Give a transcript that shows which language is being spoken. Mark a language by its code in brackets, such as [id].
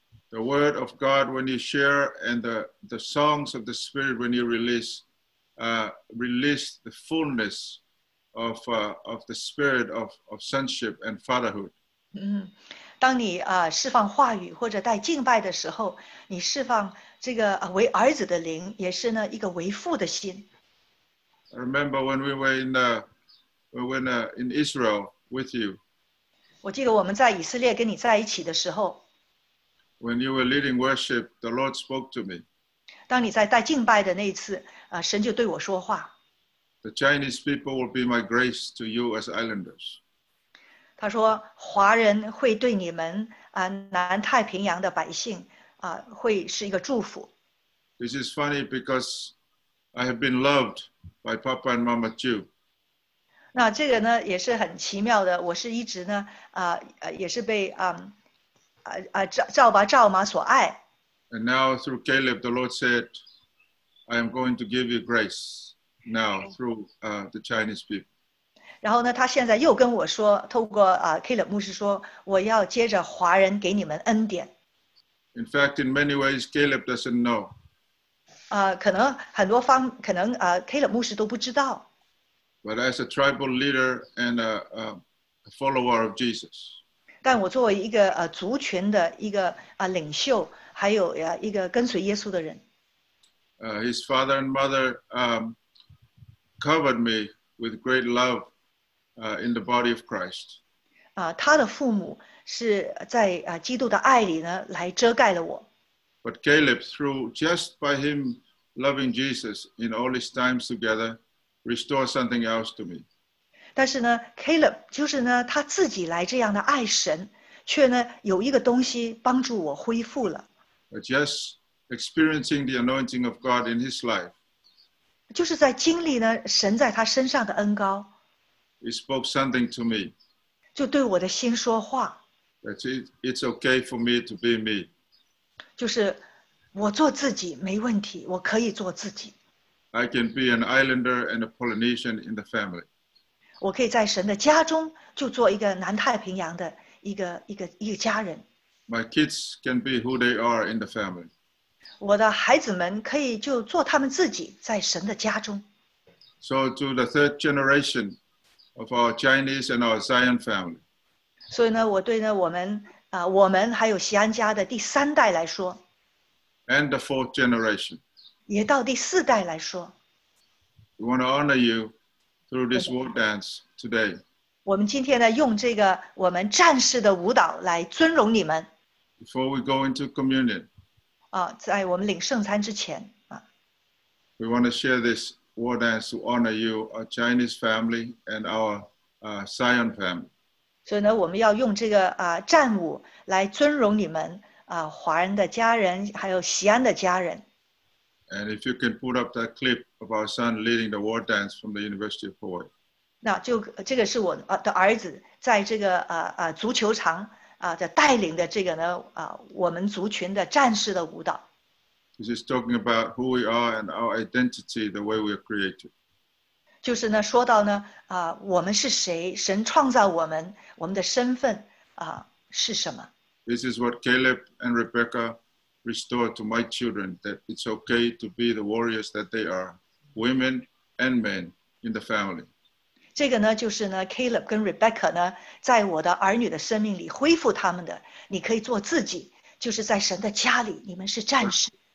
[en] The word of God when you share and the songs of the Spirit when you release the fullness of the Spirit of sonship and fatherhood. [zh] 当你释放话语或者带敬拜的时候，你释放。这个为儿子的灵，也是呢一个为父的心。 [en] I remember when we were in Israel with you. [zh] 我记得我们在以色列跟你在一起的时候。 [en] When you were leading worship, the Lord spoke to me. [zh] 当你在带敬拜的那一次，神就对我说话。 [en] The Chinese people will be my grace to you as islanders. [zh] 他说，华人会对你们南太平洋的百姓。会是一个祝福。 [en] This is funny because I have been loved by Papa and Mama Jew. [zh] 那这个呢也是很奇妙的，我是一直呢也是被赵爸赵妈所爱。 [en] And now through Caleb, the Lord said, I am going to give you grace now through the Chinese people. [zh] 然后呢，他现在又跟我说，透过Caleb 牧师说，我要接着华人给你们恩典。 [en] In fact, in many ways, Caleb doesn't know. [zh] 可能很多方可能Caleb 牧师都不知道。 [en] But as a tribal leader and a follower of Jesus. [zh] 但我作为一个族群的一个领袖，还有一个跟随耶稣的人。 [en] His father and mother covered me with great love in the body of Christ. [zh] 他的父母。是在基督的爱里呢来遮盖了我。 [en] But Caleb, through just by him loving Jesus in all his times together, restored something else to me. [zh] 但是呢 ，Caleb 就是呢他自己来这样的爱神，却呢有一个东西帮助我恢复了。 [en] Just experiencing the anointing of God in his life. [zh] 就是在经历呢神在他身上的恩膏。 [en] He spoke something to me. [zh] 就对我的心说话。 [en] It's okay for me to be me. [zh] 就是我做自己没问题，我可以做自己。 [en] I can be an islander and a Polynesian in the family. [zh] 我可以在神的家中就做一个南太平洋的一个家人。 [en] My kids can be who they are in the family. [zh] 我的孩子们可以就做他们自己在神的家中。 [en] So to the third generation of our Chinese and our Zion family. [zh] 所以呢，我对呢，我们还有西安家的第三代来说 [en] ，and the fourth generation， [zh] 也到第四代来说 [en] ，we want to honor you through this war dance today。 [zh] 我们今天呢，用这个我们战士的舞蹈来尊荣你们。 [en] Before we go into communion， [zh] 在我们领圣餐之前 [en] ，we want to share this war dance to honor you, our Chinese family and our Zion family。 [zh] 所以呢，我们要用这个战舞来尊荣你们华人的家人，还有西安的家人。 [en] And if you can put up that clip of our son leading the war dance from the University of Hawaii. [zh] 那就这个是我的儿子在这个足球场的带领的这个呢我们族群的战士的舞蹈。 [en] This is talking about who we are and our identity, the way we are created. [zh] 就是呢说到呢啊，我们是谁？神创造我们，我们的身份啊是什么 [en] ？This is what Caleb and Rebecca restored to my children, that it's okay to be the warriors that they are, women and men in the family. [zh] 这个呢就是呢 Caleb 跟 Rebecca 呢在我的儿女的生命里恢复他们的，你可以做自己，就是在神的家里，你们是战士。